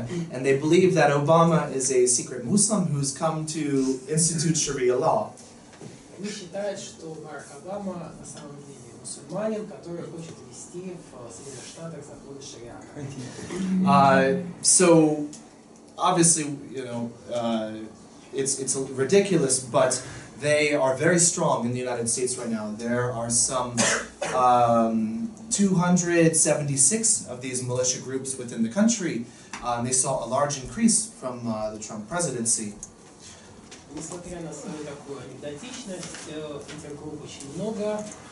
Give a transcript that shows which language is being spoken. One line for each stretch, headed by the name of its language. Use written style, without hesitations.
English: And they believe that Obama is a secret Muslim who's come to institute Sharia law.
Russian: Они считают, что Барак Обама на самом деле мусульманин, который хочет ввести в Соединенных Штатах законы шариата.
English: So, obviously, you know, it's ridiculous, but they are very strong in the United States right now. There are some 276 of these militia groups within the country. They saw a large increase from the Trump presidency.
Russian: Несмотря на свою такую анекдотичность, этих групп очень много.